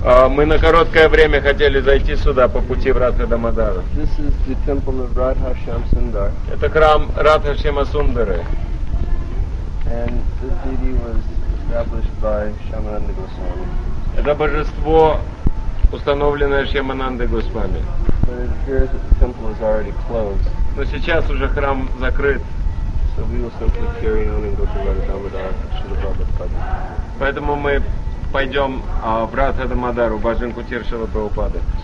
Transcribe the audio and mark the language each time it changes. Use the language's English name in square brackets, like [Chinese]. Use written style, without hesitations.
[Russian] Мы на короткое время хотели зайти сюда по пути в Радха Дамодара. [English] This is the temple of Radha Shyamasundara. [Russian] Это храм Радха Шьямасундары. [English] And this deity was established by Shyamananda Goswami. [Russian] Это божество, установленное Шьямананды Госвами. [English] But it appears that the temple is already closed. [Russian] Но сейчас уже храм закрыт. [English] So we will simply carry on and go to Radha Dhamadara, Shri Prabhupada. [Russian] Поэтому мы пойдем в Радха Дамодару, Бажан Кутир Шрила Прабхупады.